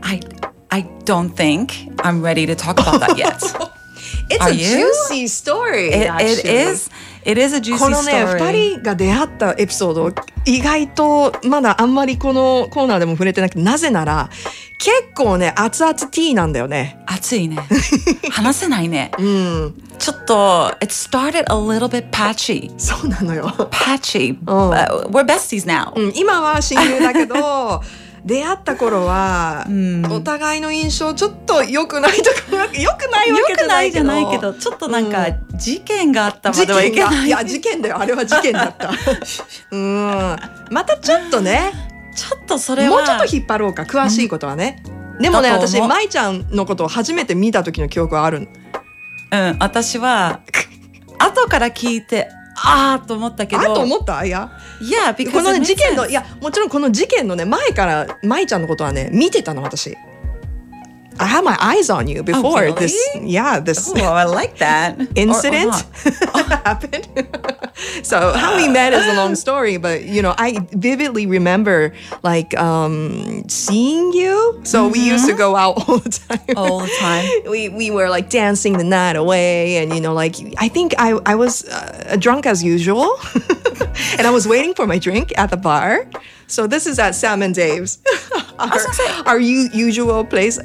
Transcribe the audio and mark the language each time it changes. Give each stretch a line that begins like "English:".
English: I don't think I'm ready to talk about that yet. It's a juicy story, actually. It is a juicy story.
Japanese: このね、二人が出会ったエピソード、意外とまだあんまりこのコーナーでも触れてなくて、なぜなら、結構ね、熱々ティーなんだよね。熱いね。話せないね。ちょっと、
English: it started a little bit patchy.
Japanese: そうなのよ。
English: Patchy. We're besties now.
Japanese: 今は親友だけど、出会った頃は、お互いの印象ちょっと良くないとか、良くないわけじゃないけど、良くないじゃないけど、ちょっとなんか事件があったまではいけない。いや事件だよ、あれは事件だった。またちょっとね、ちょっとそれはもうちょっと引っ張ろうか、詳しいことはね。でもね、私舞ちゃんのことを初めて見た時の記憶はある。私は後から聞いて。ああと思ったけど、あと思った、いや、
English: yeah, because
Japanese: この、ね、事件の、いやもちろんこの事件のね前から舞ちゃんのことはね見てたの私。
English: I had my eyes on you before、 oh, really? this yeah this oh I like that incident happened so how we met is a long story but you know I vividly remember like seeing you so、mm-hmm. we used to go out all the time we were like dancing the night away and you know like I think I was、drunk as usual and I was waiting for my drink at the bar so this is at Sam and Dave's our usual place